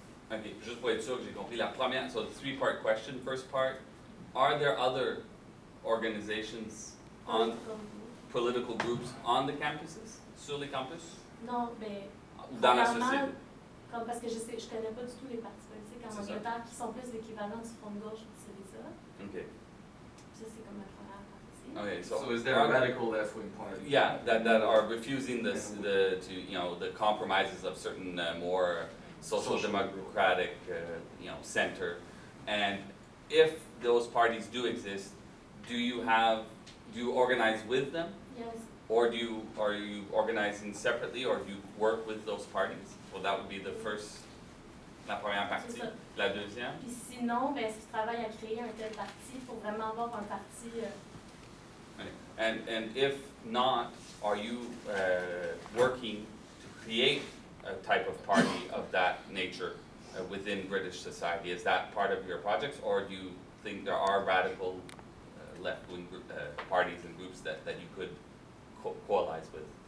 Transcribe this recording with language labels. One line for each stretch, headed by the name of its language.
French: OK, juste pour être sûr que j'ai compris la première,
English: so the three-part question, first part, are there other organizations, political groups on the campuses,
French: sur les campus? Non, mais dans la société. Comme parce que je connais pas du tout les partis politiques en Angleterre qui sont plus l'équivalent du Front de gauche ou du Syriza. OK. Ça, c'est comme la première partie.
English: Okay, so is there a radical left-wing party? Yeah, that are refusing the compromises of certain more social democratic, center. And if those parties do exist, do you organize with them? Yes. Or are you organizing separately, or do you work with those parties? Well, that would be the first,
French: la première partie. La deuxième? Puis sinon, est-ce que tu travailles à créer un tel parti pour vraiment avoir un parti?
English: And if not, are you working to create a type of party of that nature within British society? Is that part of your projects, or do you think there are radical left-wing parties and groups that you could coalize with?